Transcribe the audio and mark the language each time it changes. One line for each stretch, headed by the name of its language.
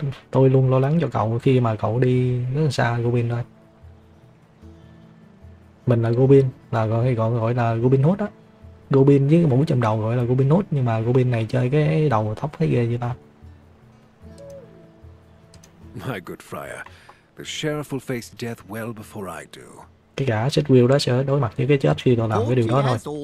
Vietnamese: Tôi luôn lo lắng cho cậu khi mà cậu đi rất là xa, Robin thôi. Mình là Robin, là gọi là Robin Hood á. Robin với cái mũ chùm đầu gọi là Robin Hood, nhưng mà Robin này chơi cái đầu thấp thấy ghê như ta.
English: My good friar, the sheriff will face death well before I do.
Vietnamese: Cái gã Seth Will đó sẽ đối mặt với cái chết khi tôi làm cái điều đó thôi.